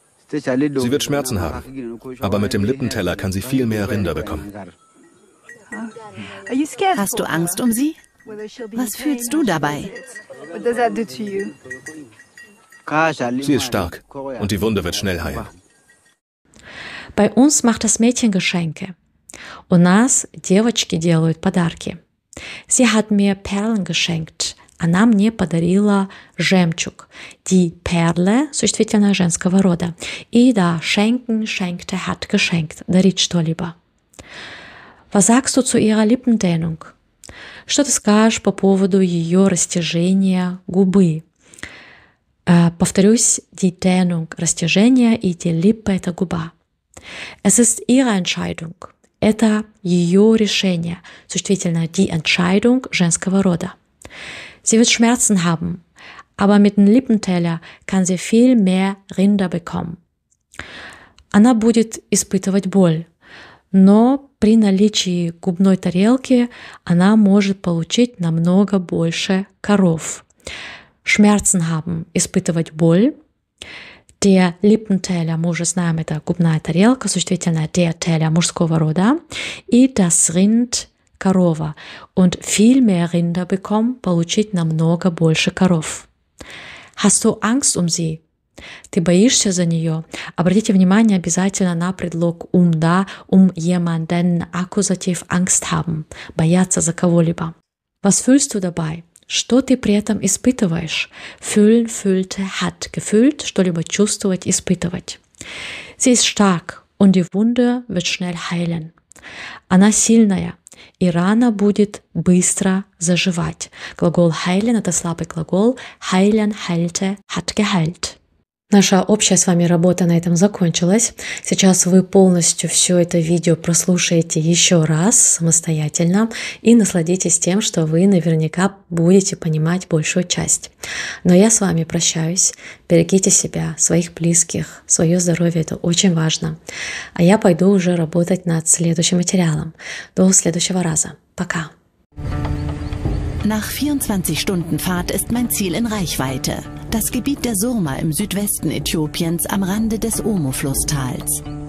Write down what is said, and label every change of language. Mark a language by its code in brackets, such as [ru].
[de] Sie wird Schmerzen haben, aber mit dem Lippenteller kann sie viel mehr Rinder bekommen. Hast du Angst um sie? Was fühlst du dabei? Sie ist stark und die Wunde wird schnell heilen. Bei uns macht das Mädchen Geschenke. [ru] У нас девочки делают подарки. [de] Sie hat mir Perlen geschenkt. [ru] Она мне подарила жемчуг. [de] Die Perle, [ru] существительное женского рода. И да, [de] schenken, schenkte, hat geschenkt. [ru] Дарить что-либо. [de] Was sagst du zu ihrer Lippendehnung? [ru] Что ты скажешь по поводу ее растяжения губы? Повторюсь, [de] die Dehnung, [ru] растяжение, и [de] die Lippe, [ru] это губа. [de] Es ist ihre Entscheidung. [ru] Это ее решение, существительное [de] die Entscheidung [ru] женского рода. [de] Sie wird Schmerzen haben, aber mit dem Lippenteller kann sie viel mehr Rinder bekommen. [ru] Она будет испытывать боль, но при наличии губной тарелки она может получить намного больше коров. [de] Schmerzen haben, [ru] испытывать боль. [de] Der Lippenteller, [ru] мы уже знаем, это губная тарелка, существительное [de] der Teller [ru] мужского рода. [de] И das Rind, корова. Und viel mehr Rinder bekommen, [ru] получить намного больше коров. [de] Hast du Angst um sie? [ru] Ты боишься за нее? Обратите внимание обязательно на предлог um, да, [de] um jemanden, akkusativ Angst haben, [ru] бояться за кого-либо. [de] Was fühlst du dabei? [ru] Что ты при этом испытываешь? [de] Fühlen, fühlte, hat, gefühlt, [ru] что-либо чувствовать, испытывать. [de] Sie ist stark und die Wunde wird schnell heilen. [ru] Она сильная, и рана будет быстро заживать. Глагол [de] heilen [ru] – это слабый глагол. [de] Heilen, heilte, hat geheilt. [ru] Наша общая с вами работа на этом закончилась. Сейчас вы полностью все это видео прослушаете еще раз самостоятельно и насладитесь тем, что вы наверняка будете понимать большую часть. Но я с вами прощаюсь. Берегите себя, своих близких, свое здоровье – это очень важно. А я пойду уже работать над следующим материалом. До следующего раза. Пока! [de] Nach 24 Stunden Fahrt ist mein Ziel in Reichweite. Das Gebiet der Surma im Südwesten Äthiopiens am Rande des Omo-Flusstals.